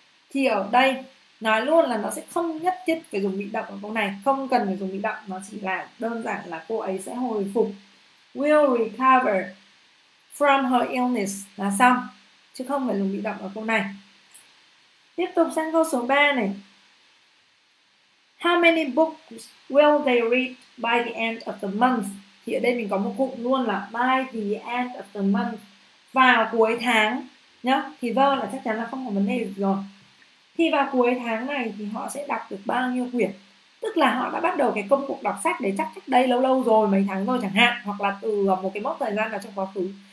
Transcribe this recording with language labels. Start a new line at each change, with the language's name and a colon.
Vietnamese: Thì ở đây nói luôn là nó sẽ không nhất thiết phải dùng bị động ở câu này, không cần phải dùng bị động, nó chỉ là đơn giản là cô ấy sẽ hồi phục.
English: Will recover from her illness
Vietnamese: là xong, chứ không phải dùng bị động ở câu này. Tiếp tục sang câu số 3 này.
English: How many books will they read by the end of the month?
Vietnamese: Thì ở đây mình có một cụm luôn là
English: by the end of the month,
Vietnamese: vào cuối tháng nhá. Thì the là chắc chắn là không có vấn đề được rồi. Thì vào cuối tháng này thì họ sẽ đọc được bao nhiêu quyển? Tức là họ đã bắt đầu cái công cuộc đọc sách đấy chắc cách đây lâu lâu rồi, mấy tháng rồi chẳng hạn, hoặc là từ một cái mốc thời gian nào trong quá khứ.